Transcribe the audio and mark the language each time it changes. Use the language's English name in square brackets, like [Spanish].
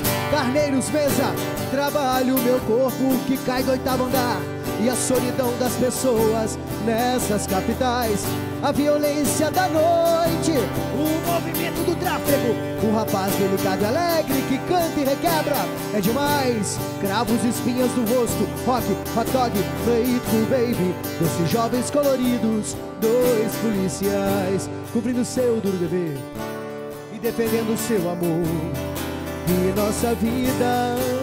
[Portuguese] Carneiros, mesa, trabalho, meu corpo que cai do oitavo andar, e a solidão das pessoas nessas capitais. A violência da noite, gente, o movimento do tráfego. O rapaz delicado e alegre que canta e requebra. É demais, cravo os espinhas do rosto. [English] Rock, hot dog, play it cool, baby. [Portuguese] Doces jovens coloridos, dois policiais cumprindo seu duro dever e defendendo seu amor e nossa vida.